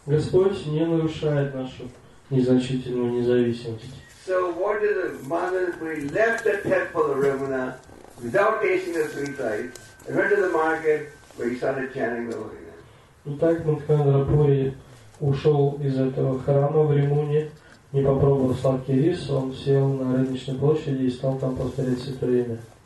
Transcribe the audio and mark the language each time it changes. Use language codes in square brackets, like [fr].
[ru] Господь не нарушает нашу незначительную независимость. [en] So what did the Madhavan Puri left the temple of Ramana without tasting the sweet rice? He went to the market where he started chanting the Holy Name. [ru] Итак, Мадхендра Пури ушел из этого храма в Римуне, не попробовал сладкий рис, он сел на рыночной площади и стал там повторять святое имя.